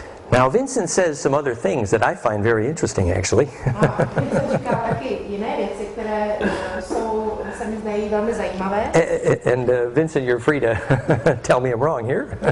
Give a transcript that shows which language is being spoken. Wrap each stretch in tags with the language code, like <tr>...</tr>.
<en>Now Vincent says some other things that I find very interesting actually.</en> <cs>A Vincent říká taky jiné věci, které se mi zdají velmi zajímavé.</cs> <en>And Vincent, you're free to tell me I'm wrong here.</en>